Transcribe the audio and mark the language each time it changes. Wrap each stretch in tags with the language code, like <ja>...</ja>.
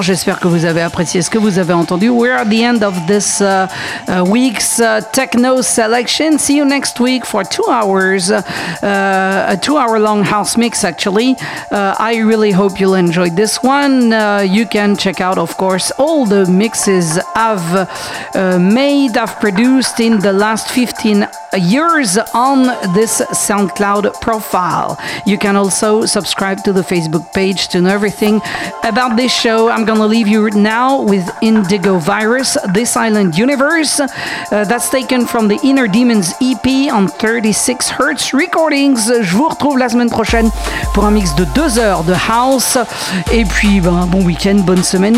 <fr>J'espère que vous avez apprécié ce que vous avez entendu.</fr> <en>We are at the end of this week's techno selection. See you next week for 2 hours, a 2 hour long house mix actually. I really hope you'll enjoy this one. You can check out of course all the mixes I've made, I've produced in the last 15 years on this SoundCloud profile. You can also subscribe to the Facebook page to know everything about this show. I'm gonna leave you now with Indigo Virus, This Island Universe. That's taken from the Inner Demons EP on 36 Hertz Recordings.</en> <fr>Je vous retrouve la semaine prochaine pour un mix de 2 heures de house. Et puis, ben, bon week-end, bonne semaine.</fr>